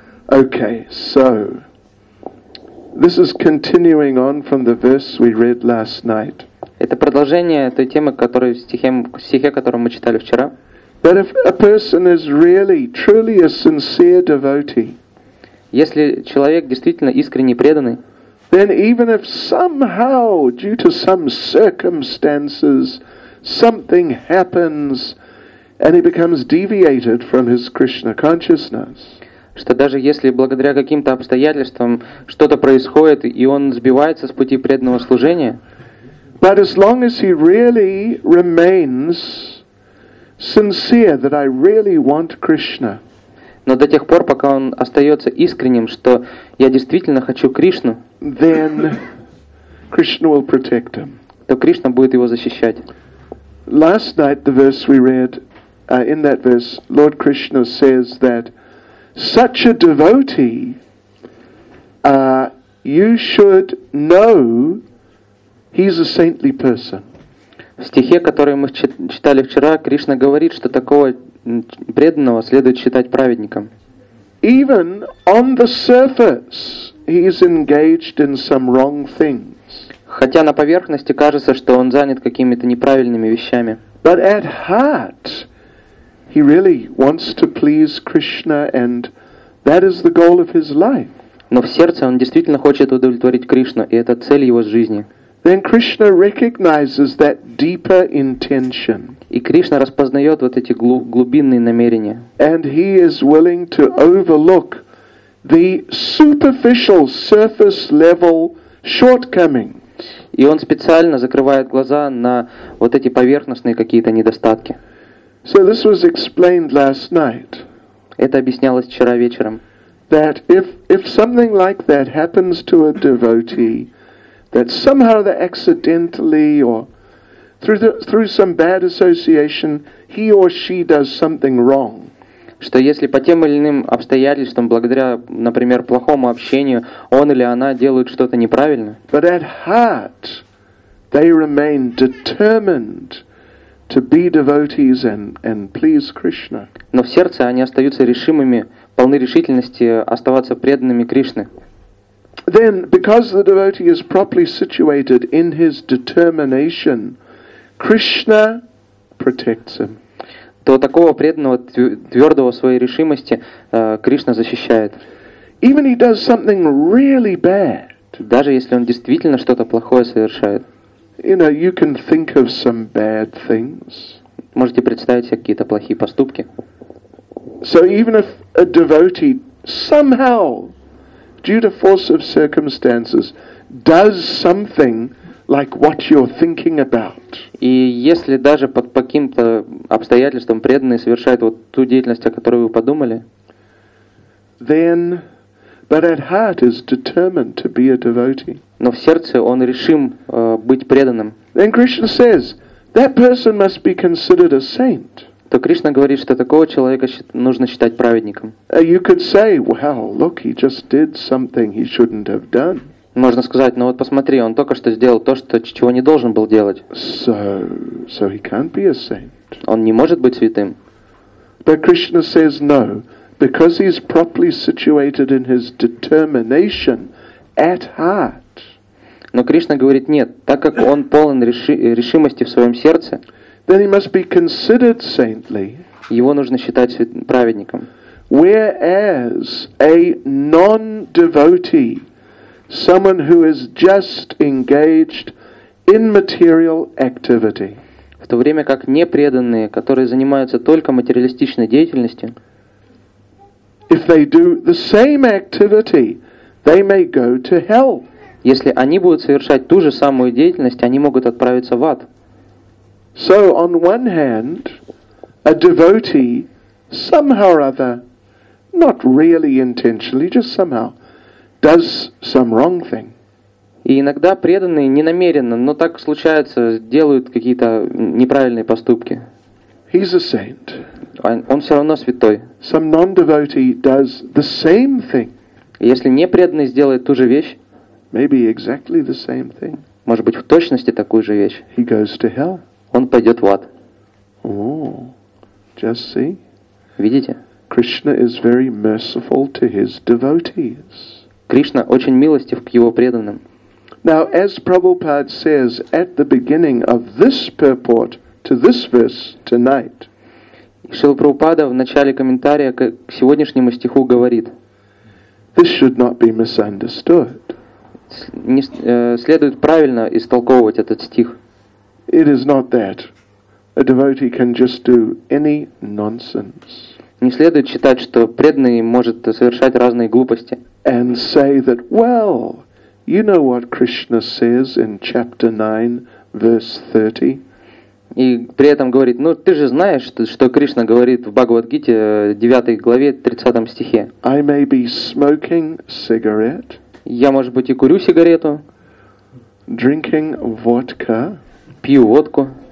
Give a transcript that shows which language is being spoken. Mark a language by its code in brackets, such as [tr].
[en] Okay, so this is continuing on from the verse we read last night. [ru] Это продолжение той темы, которую в стихе, которую мы читали вчера. [en] But if a person is really, truly a sincere devotee, [ru] если человек действительно искренне преданный, [en] then even if somehow, due to some circumstances, something happens, and he becomes deviated from his Krishna consciousness, [ru] что даже если благодаря каким-то обстоятельствам что-то происходит и он сбивается с пути преданного служения, [en] but as long as he really remains sincere that I really want Krishna. [ru] Но до тех пор, пока он остается искренним, что я действительно хочу Кришну, [en] then Krishna will protect him. [ru] То Кришна будет его защищать. [en] Last night the verse we read, in that verse, Lord Krishna says that such a devotee, you should know, he's a saintly person. [ru] В стихе, который мы читали вчера, Кришна говорит, что такого преданного следует считать праведником. [en] Even on the surface, he is engaged in some wrong things. [ru] Хотя на поверхности кажется, что он занят какими-то неправильными вещами. [en] But at heart, he really wants to please Krishna, and that is the goal of his life. [ru] Но в сердце он действительно хочет удовлетворить Кришну, и это цель его жизни. [en] Then Krishna recognizes that deeper intention. [ru] И Кришна распознает вот эти глубинные намерения. [en] And he is willing to overlook the superficial, surface-level shortcomings. [ru] И он специально закрывает глаза на вот эти поверхностные какие-то недостатки. [en] So this was explained last night. [ru] Это объяснялось вчера вечером. [en] That if something like that happens to a devotee, that somehow they accidentally or through some bad association he or she does something wrong. [ru] что если по тем или иным обстоятельствам, благодаря, например, плохому общению, он или она делают что-то неправильно, [en] but at heart they remain determined to be devotees and please Krishna. [ru] Но в сердце они остаются решимыми, полны решительности оставаться преданными Кришне. [en] Then, because the devotee is properly situated in his determination, Krishna protects him. [ru] То такого преданного, твердого в своей решимости, Кришна защищает. [en] Even he does something really bad. [ru] Даже если он действительно что-то плохое совершает. [en] You know, you can think of some bad things. [ru] Можете представить себе какие-то плохие поступки. [en] So even if a devotee somehow, due to force of circumstances, does something like what you're thinking about. [ru] И если даже под каким-то обстоятельством преданный совершает вот ту деятельность, о которой вы подумали, [en] then, but at heart is determined to be a devotee. [ru] Но в сердце он решим быть преданным. [en] Then Krishna says that person must be considered a saint. [ru] То Кришна говорит, что такого человека нужно считать праведником. [en] You could say, well, look, he just did something he shouldn't have done. [ru] Можно сказать, ну вот посмотри, он только что сделал то, что, чего не должен был делать. [en] So he can't be a saint. [ru] Он не может быть святым. [en] But Krishna says no, because he's properly situated in his determination at heart. [ru] Но Кришна говорит нет, так как он полон решимости в своем сердце. [en] Then he must be considered saintly. [ru] Его нужно считать праведником. [en] Whereas a non-devotee, someone who is just engaged in material activity. [ru] В то время как непреданные, которые занимаются только материалистичной деятельностью, [en] if they do the same activity, they may go to hell. [ru] Если они будут совершать ту же самую деятельность, они могут отправиться в ад. [en] So on one hand, a devotee somehow or other, not really intentionally, just somehow, does some wrong thing. [ru] И иногда преданные не намеренно, но так случается, делают какие-то неправильные поступки. [en] He's a saint. [ru] Он все равно святой. [en] Some non-devotee does the same thing. [ru] Если непреданный сделает ту же вещь, [en] maybe exactly the same thing. [ru] Может быть, в точности такую же вещь. [en] He goes to hell. [ru] Он пойдет в ад. [en] Oh, just see. [ru] Видите? [en] Krishna is very merciful to his devotees. [ru] Кришна очень милостив к его преданным. [en] Now, as Prabhupada says at the beginning of this purport to this verse tonight, [ru] Шрила Прабхупада в начале комментария к сегодняшнему стиху говорит, [en] this should not be misunderstood. [ru] Следует правильно истолковывать этот стих. [en] It is not that a devotee can just do any nonsense. [ru] Не следует считать, что преданный может совершать разные глупости. [en] And say that, well, you know what Krishna says in chapter 9, verse 30. [ru] И при этом говорит, ну ты же знаешь, что Кришна говорит в Бхагавад-гите, 9 главе, 30 стихе. [en] I may be smoking cigarette. [ru] Я, может быть, и курю сигарету. [en] Drinking vodka. [ru] Пью водку.